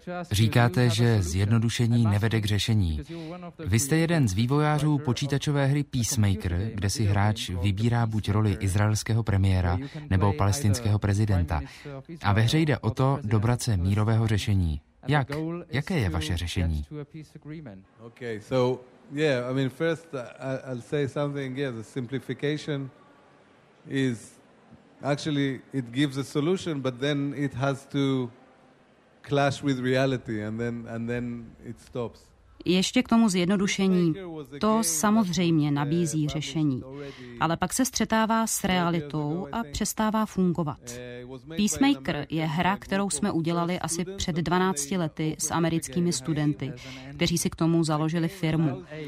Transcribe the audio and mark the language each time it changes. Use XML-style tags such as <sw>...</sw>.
<cs>Říkáte, že zjednodušení nevede k řešení. Vy jste jeden z vývojářů počítačové hry Peacemaker, kde si hráč vybírá buď roli izraelského premiéra nebo palestinského prezidenta. A ve hře jde o to dobrat se mírového řešení. Jak? Jaké je vaše řešení?</cs> <en>Okay, so Yeah, I mean, first I'll say something. Yeah, the simplification is actually it gives a solution, but then it has to clash with reality, and then it stops.</en> <cs>Ještě k tomu zjednodušení. To samozřejmě nabízí řešení. Ale pak se střetává s realitou a přestává fungovat. Peacemaker je hra, kterou jsme udělali asi před 12 lety s americkými studenty, kteří si k tomu založili firmu.</cs>